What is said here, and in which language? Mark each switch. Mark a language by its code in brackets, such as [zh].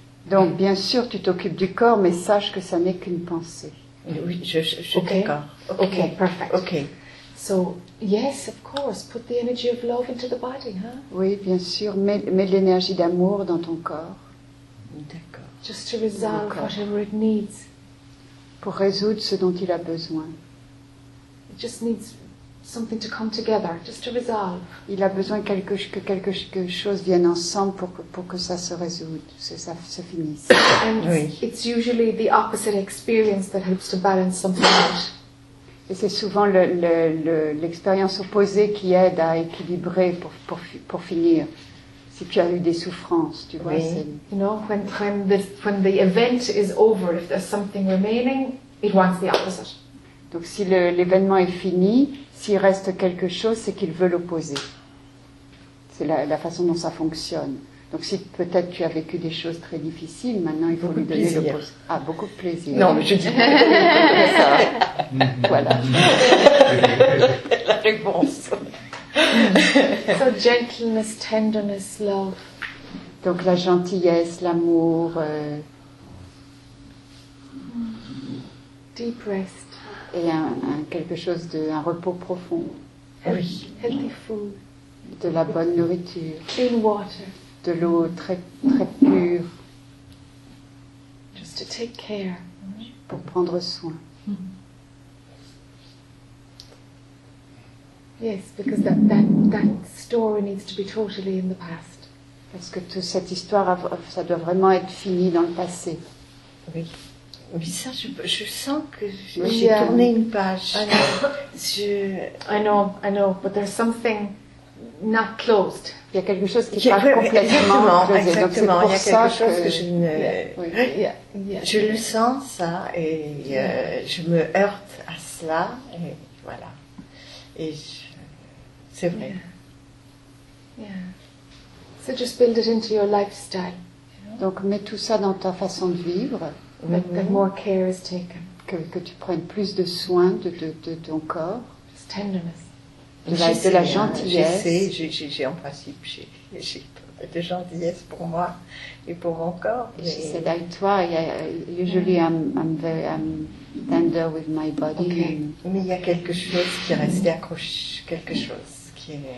[fr] Donc bien sûr, tu t'occupes du corps, mais sache que ça n'est qu'une pensée. Oui, je okay. D'accord. [en] Okay, perfect. Okay. So yes, of course, put the energy of love into the body, huh? [fr] Oui, bien sûr, mets de l'énergie d'amour dans ton corps. [en] D'accord. Just to resolve whatever it needs. [fr] Pour résoudre ce dont il a besoin. [en] It just needs something to come together, just to resolve. [fr] Il a besoin que quelque chose vienne ensemble pour que ça se résoudre, que ça se finisse. [en] And oui. It's usually the opposite experience that helps to balance something out. [fr] Et c'est souvent l'expérience opposée qui aide à équilibrer pour finir. Si tu as eu des souffrances, tu vois, oui. C'est... [en] You know, when the event is over, if there's something remaining, it wants the opposite. [fr] Donc si l'événement est fini, s'il reste quelque chose, c'est qu'il veut l'opposé. C'est la façon dont ça fonctionne. Donc si peut-être tu as vécu des choses très difficiles, maintenant il faut lui donner plaisir. L'opposé. Ah, beaucoup de plaisir. Non, mais je dis pas comme ça. Voilà. La réponse. [en] So gentleness, tenderness, love. [fr] Donc la gentillesse, l'amour. [en] Deep rest. [fr] Et quelque chose de un repos profond. [en] Oui. Healthy food. [fr] De la bonne nourriture. [en] Clean water. [fr] De l'eau très très pure. [en] Just to take care. [fr] Pour prendre soin. [en] Yes, because that story needs to be totally in the past. [fr] Parce que toute cette histoire, ça doit vraiment être fini dans le passé. Oui. Oui, ça, je sens que j'ai tourné une page. [en] I know, but there's something not closed. [fr] Il y a quelque chose qui n'est pas complètement closé. Exactement. Il y a quelque chose que je ne. Je le sens ça et je me heurte à cela et voilà. C'est vrai. Yeah. [en] Yeah. So just build it into your lifestyle. [fr] Donc mets tout ça dans ta façon de vivre. [en] That more care is taken. [fr] Que tu prennes plus de soin de ton corps. [en] Just tenderness. [fr] De la gentillesse. J'ai de gentillesse pour moi et pour mon corps. [en] She said, like toi, usually I'm tender with my body. Okay. [fr] Mais il y a quelque chose qui reste accroché, quelque chose qui est.